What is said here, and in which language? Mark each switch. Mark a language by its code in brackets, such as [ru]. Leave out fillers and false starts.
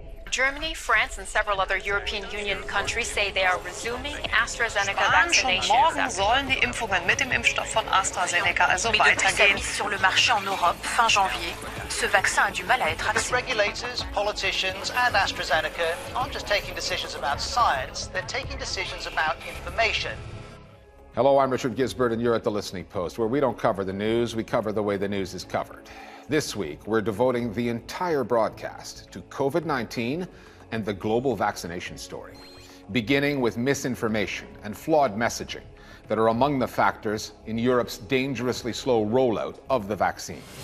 [en] Germany, France, and several other European Union countries say they are resuming AstraZeneca vaccinations. [de] Sollen die Impfungen mit dem Impfstoff von AstraZeneca also weitergehen? [fr] Sur le marché en Europe fin janvier, ce vaccin a du mal à être accepté. [en] Regulators, politicians, and AstraZeneca aren't just taking decisions about science; they're taking decisions about information. Hello, I'm Richard Gizbert, and you're at The Listening Post, where we don't cover the news, we cover the way the news is covered. This week, we're devoting the entire broadcast to COVID-19 and the global vaccination story, beginning with misinformation and flawed messaging that are among the factors in Europe's dangerously slow rollout of the vaccine.